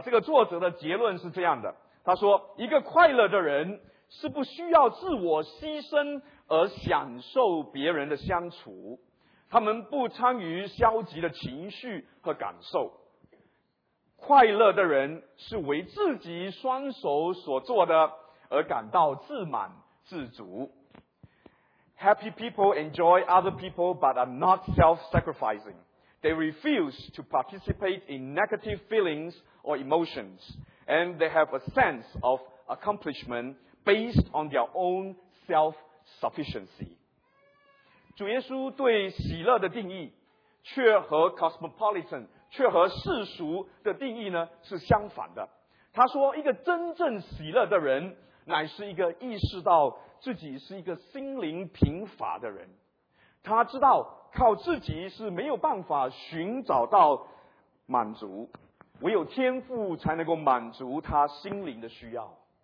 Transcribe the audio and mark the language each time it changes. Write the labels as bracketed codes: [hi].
[zh] 这个作者的结论是这样的，他说一个快乐的人是不需要自我牺牲而享受别人的相处，他们不参与消极的情绪和感受。快乐的人是为自己双手所做的而感到自满自足。 [en] Happy people enjoy other people but are not self-sacrificing. They refuse to participate in negative feelings or emotions, and they have a sense of accomplishmentBased on their own self-sufficiency. [zh] 主耶稣对喜乐的定义却和 cosmopolitan 却和世俗的定义呢是相反的。他说一个真正喜乐的人乃是一个意识到自己是一个心灵贫乏的人，他知道靠自己是没有办法寻找到满足，唯有天父才能够满足他心灵的需要。